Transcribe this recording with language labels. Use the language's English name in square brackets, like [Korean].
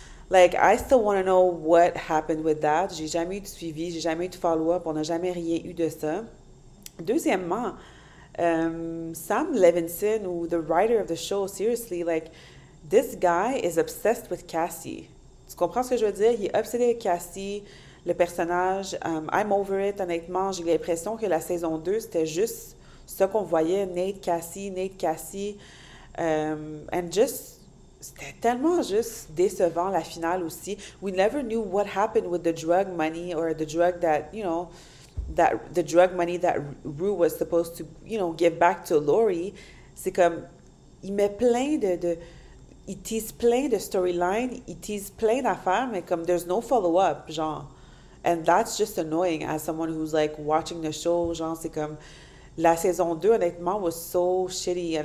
[English] Like, I still want to know what happened with that. [French] J'ai jamais eu de suivi, j'ai jamais eu de follow-up, on n'a jamais rien eu de ça. [English] Deuxièmement, Sam Levinson, ou the writer of the show, seriously, like, this guy is obsessed with Cassie. [French] Tu comprends ce que je veux dire? Il est obsédé avec Cassie. Le personnage, [English] I'm over it, [French] honnêtement. J'ai l'impression que la saison 2, c'était juste ce qu'on voyait, Nate Cassie, [English] and just, [French] c'était tellement juste décevant, la finale aussi. [English] We never knew what happened with the drug money or the drug that, you know, that the drug money that Rue was supposed to, you know, give back to Lori. [French] C'est comme, il met plein de il tease plein de storyline, il tease plein d'affaires, mais comme, [English] there's no follow-up, [French] genre. [English] And that's just annoying as someone who's like watching the show. [French] Genre, c'est comme la saison 2, honnêtement, [English] was so shitty.